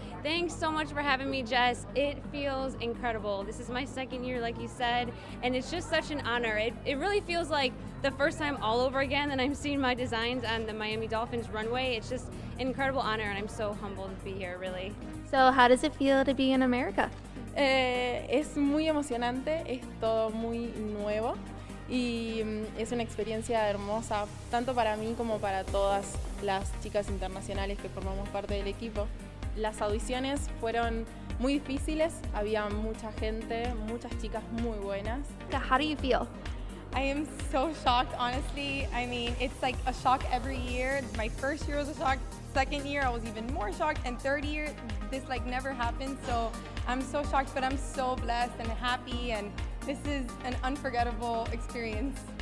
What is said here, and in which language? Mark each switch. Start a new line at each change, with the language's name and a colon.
English: Thanks so much for having me, Jess. It feels incredible. This is my second year, like you said, and it's just such an honor. It really feels like the first time all over again, and I'm seeing my designs on the Miami Dolphins runway. It's just an incredible honor, and I'm so humbled to be here, really. So how does it feel to be in America?
Spanish: Es muy emocionante, es todo muy nuevo, y es una experiencia hermosa, tanto para mí como para todas las chicas internacionales que formamos parte del equipo. Las audiciones fueron muy difíciles, había mucha gente, muchas chicas muy buenas.
English: How do you feel? I am so shocked, honestly. I mean, it's like a shock every year. My first year was a shock, second year I was even more shocked, and third year, this like never happened. So I'm so shocked, but I'm so blessed and happy, and this is an unforgettable experience.